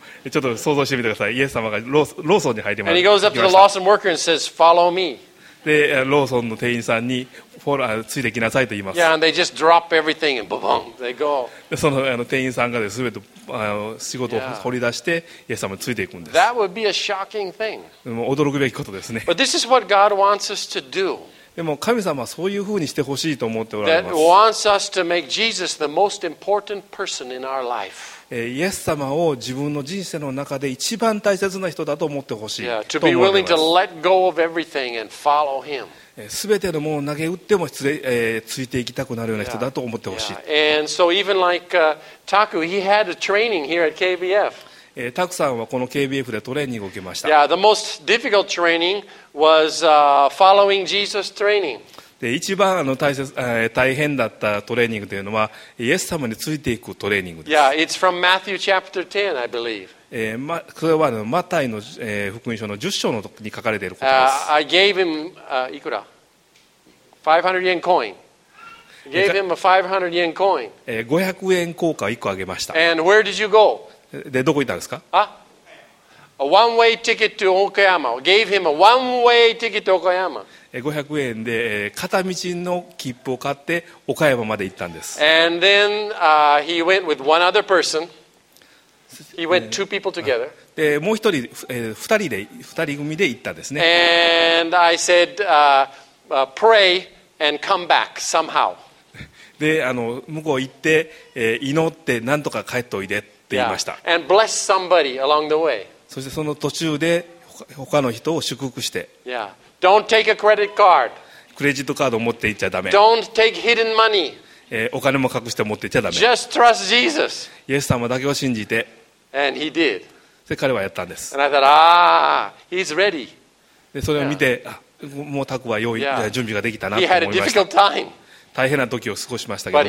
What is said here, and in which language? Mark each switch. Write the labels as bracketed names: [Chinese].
[Japanese] ちょっと想像してみてください。イエス様がローソンに入ります。 [English] And he goes up to the Lawson worker and says, "Follow me." [Japanese] でローソンの店員さんにフォロついてきなさいと言います。 [English] Yeah, and they just drop everything and boom, they go. [Japanese] その店員さんがですべて仕事を掘り出して、yeah. イエス様についていくんです。 [English] That would be a shocking thing. [Japanese] 驚くべきことですね。 [English] But this is what God wants us to do. [Japanese] でも神様はそういうふうにしてほしいと思っておられます。 [English] That wants us to make Jesus the most important person in our life. [Japanese] イエス様を自分の人生の中で一番大切な人だと思ってほしいと思います。 [English] To be willing to let go of everything and follow him. [Japanese] すべてのものを投げ打ってもついていきたくなるような人だと思ってほしい。 [English] And so even like Taku, he had a training here at KBF. [Japanese] タクさんはこの KBF でトレーニングを受けました。 [English] Yeah, the most difficult training was following Jesus' training. [Japanese] で、一番大変だったトレーニングというのは、イエス様についていくトレーニングです。 [English] Yeah, it's from Matthew chapter 10, I believe. [Japanese] これはマタイの福音書の10章に書かれていることです。 [English] I gave him, [Japanese] いくら [English] ?500 yen coin. Gave him a 500 yen coin. [Japanese] 500円硬貨を1個あげました。 [English] And where did you go? [Japanese] でどこ行ったんですか。 [English] A one-way ticket to Okayama. Gave him a one-way ticket to Okayama. [Japanese] 500円で片道の切符を買って岡山まで行ったんです。 [English] And then he went with one other person. He went two people together. [Japanese] でもう一人二人組で行ったんですね。 [English] And I said, pray and come back somehow. [Japanese] で向こう行って祈ってなんとか帰っておいで。って言いました。 [English] And bless somebody along the way. [Japanese] そしてその途中で他の人を祝福して。 [English] Yeah. Don't take a credit card. [Japanese] クレジットカードを持って行っちゃダメ。 [English] Don't take hidden money. [Japanese] お金も隠して持って行っちゃダメ。 [English] Just trust Jesus. [Japanese] イエス様だけを信じて。 [English] And he did. [Japanese] で彼はやったんです。 [English] And I thought, ah, he's ready. [Japanese] でそれを見て、もうタクは用意、準備ができたなと思いました。 [English] He had a difficult time. [Japanese] 大変な時を過ごしましたけども。